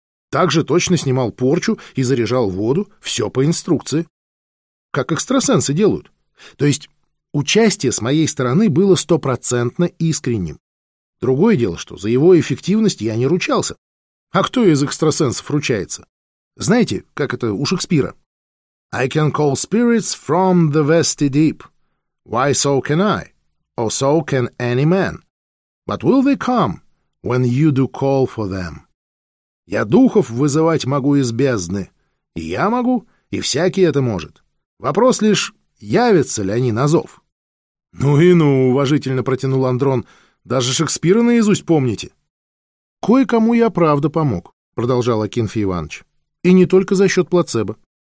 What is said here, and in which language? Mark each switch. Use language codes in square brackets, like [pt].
[ru] Также точно снимал порчу и заряжал воду, все по инструкции. Как экстрасенсы делают. То есть участие с моей стороны было стопроцентно искренним. Другое дело, что за его эффективность я не ручался. А кто из экстрасенсов ручается? Знаете, как это у Шекспира? [en] I can call spirits from the vasty deep. Why so can I? Or so can any man. But will they come when you do call for them? [ru] Я духов вызывать могу из бездны. И я могу, и всякий это может. Вопрос лишь, явятся ли они на зов». «Ну и ну, — уважительно протянул Андрон, — даже Шекспира наизусть помните». «Кое-кому я правда помог, — продолжал Акинфий Иванович. — И не только за счет плацебо.